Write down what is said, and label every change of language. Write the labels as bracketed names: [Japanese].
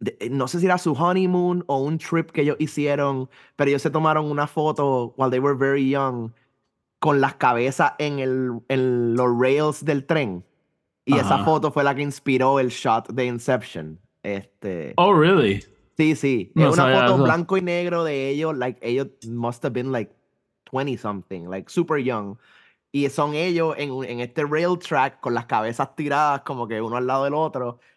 [Spanish] no sé si era su honeymoon o un trip que ellos hicieron, pero ellos se tomaron una foto [English] while they were very young [Spanish] con las cabezas en los rails del tren. Y uh-huh. Esa foto fue la que inspiró el shot de Inception. [English] Oh, really? [Spanish] Sí, sí. No, es una foto eso. Blanco y negro de ellos. [English] Like, [Spanish] ellos [English] must have been like 20-something, like super young. [Spanish] Y son ellos en este rail track con las cabezas tiradas como que uno al lado del otro.